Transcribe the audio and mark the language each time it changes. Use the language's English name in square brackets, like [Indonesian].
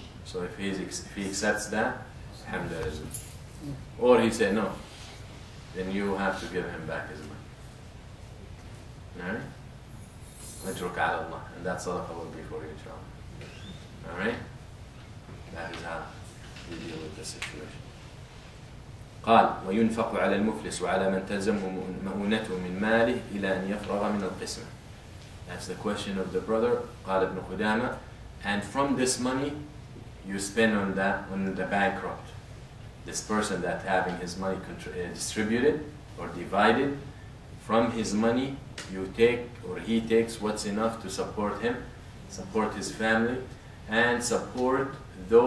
[English] So if he accepts that, alhamdulillah. Or he said no, then you have to give him back his money. Alright? And that sadaqah will be for you, inshallah. Alright? That is how we deal with the situation. [Arabic] قال وينفق على المفلس وعلى من تلزمه مؤونته من ماله إلى أن يفرغ من القسمة. [English] That's the question of the brother, [Arabic] قال ابن قدامة. [English] And from this money, you spend on the bankrupt. This person that having his money distributed or divided, from his money, you take, or he takes what's enough to support him, support his family, and support those